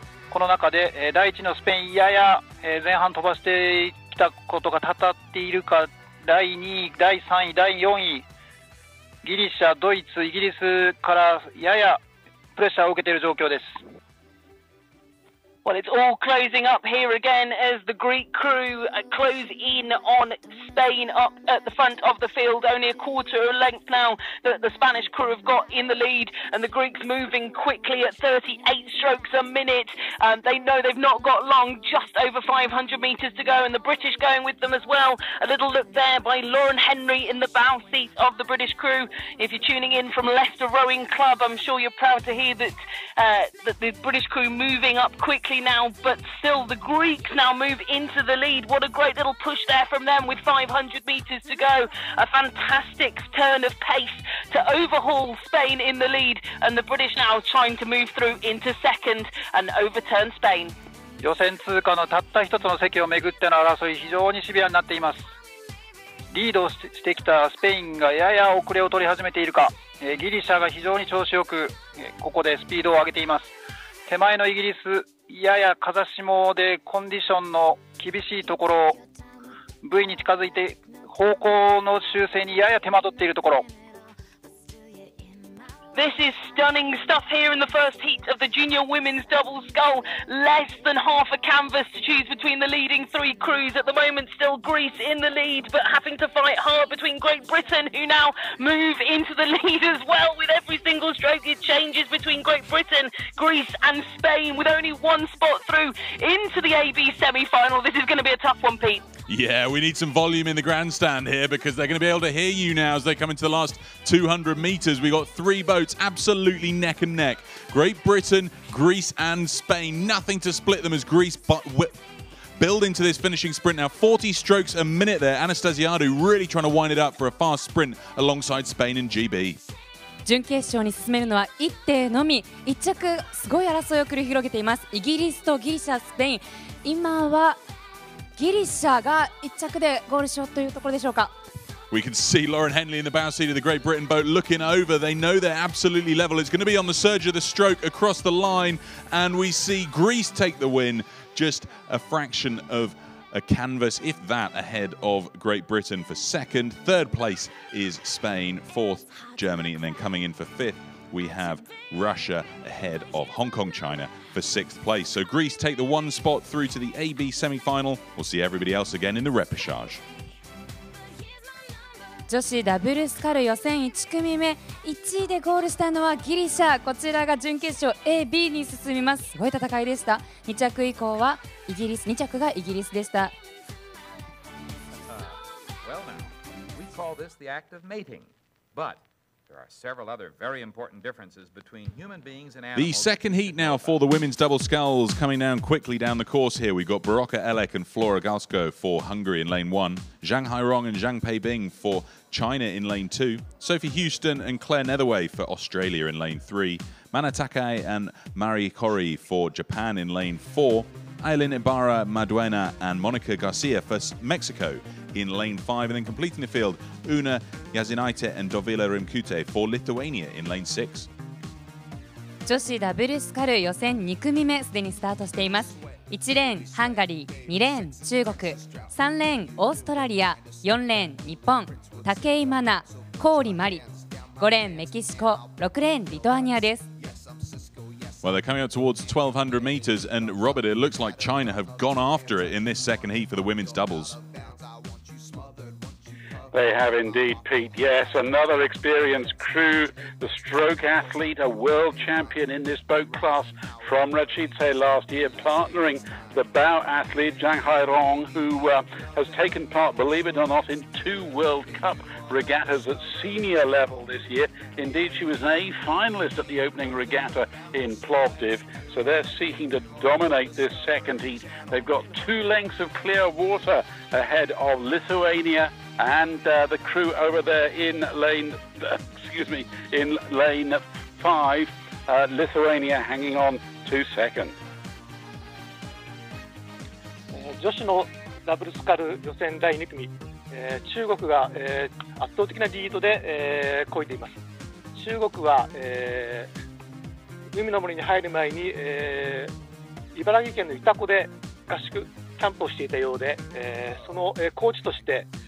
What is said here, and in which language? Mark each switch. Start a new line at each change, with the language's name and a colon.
Japanese: この中で第1位のスペイン、やや前半飛ばしてきたことがたたっているか、第2位、第3位、第4位ギリシャ、ドイツ、イギリスからややプレッシャーを受けている状況です。
English: Well, it's all closing up here again as the Greek crew close in on Spain up at the front of the field. Only a quarter of a length now that the Spanish crew have got in the lead, and the Greeks moving quickly at 38 strokes a minute. They know they've not got long, just over 500 metres to go, and the British going with them as well. A little look there by Lauren Henry in the bow seat of the British crew. If you're tuning in from Leicester Rowing Club, I'm sure you're proud to hear that, that the British crew moving up quickly. Now, but still the Greeks now move into the lead. What a great little push there from them with 500 meters to go. A fantastic turn of pace to overhaul Spain in the lead, and the British now trying to move through into second and overturn Spain.
Japanese: 予選通過のたった一つの席をめぐっての争い、非常にシビアになっています。リードしてきたスペインがやや遅れを取り始めているか、ギリシャが非常に調子よくここでスピードを上げています。手前のイギリス、やや風下でコンディションの厳しいところを V に近づいて方向の修正にやや手間取っているところ。
English: This is stunning stuff here in the first heat of the Junior Women's Double Scull. Less than half a canvas to choose between the leading three crews. At the moment, still Greece in the lead, but having to fight hard between Great Britain, who now move into the lead as well. With every single stroke, it changes between Great Britain, Greece and Spain, with only one spot through into the AB semi-final. This is going to be a tough one, Pete. Yeah, we need some volume in the grandstand here because they're going to be able to hear you now as they come into the last 200 metres. We've got three boats absolutely neck and neck. Great Britain, Greece and Spain. Nothing to split them as Greece build into this finishing sprint. Now 40 strokes a minute there. Anastasiadou really trying to wind it up for a fast sprint alongside Spain and GB.
Japanese: 準決勝に進めるのは1艇のみ。1着、すごい争いを繰り広げています。イギリスとギリシャ、スペイン。今はギリシャが一着でゴールしようというところでしょうか。
English: We can see Lauren Henley in the bow seat of the Great Britain boat looking over. They know they're absolutely level. It's going to be on the surge of the stroke across the line, and we see Greece take the win, just a fraction of a canvas, if that, ahead of Great Britain for second. Third place is Spain, fourth Germany, and then coming in for fifth, we have Russia ahead of Hong Kong, China. Sixth place. So Greece take the one spot through to the AB semi-final. We'll see everybody else again in the repêchage.
Japanese: 女子ダブルスカル予選1組目、1位でゴールしたのはギリシャ。こちらが準決勝 AB に進みます。すごい戦いでした。 2着以降はイギリス、2着がイギリスでした。
English: Well now, we call this the act of mating, but... There are several other very important differences between human beings and animals. The second heat now for the women's double sculls coming down quickly down the course here. We've got Barocca Elek and Flora Galsko for Hungary in lane one. Zhang Hairong and Zhang Peibing for China in lane two. Sophie Houston and Claire Netherway for Australia in lane three. Mana Takai and Mari Kori for Japan in lane four. Aileen Ibarra Maduena and Monica Garcia for Mexico. In lane five, and then completing the field, Una Yazinaite and Dovila Rimkute for Lithuania in lane six.
Japanese: 女子ダブルスカル予選2組目すでにスタートしています。 1レーン、ハンガリー、2レーン、中国、3レーン、オーストラリア、4レーン、日本、武井真奈、郡麻里、5レーン、メキシコ、6レーン、リトアニアです。
English: Well, they're coming up towards 1200 meters, and Robert, it looks like China have gone after it in this second heat for the women's doubles. They have indeed, Pete. Yes, another experienced crew, the stroke athlete, a world champion in this boat class from Rachite last year, partnering the bow athlete, Zhang Hairong, who、has taken part, believe it or not, in two World Cup regattas at senior level this year. Indeed, she was an A finalist at the opening regatta in Plovdiv. So they're seeking to dominate this second heat. They've got two lengths of clear water ahead of Lithuania. And、the crew over there in lane, excuse me, in lane five,、Lithuania hanging on to second.
Japanese: 女子のダブルスカル予選第2組、中国が、圧倒的なリードで、漕いでいます。中国は、海の森に入る前に、茨城県の潮来で合宿キャンプをしていたようで、その、コーチとして。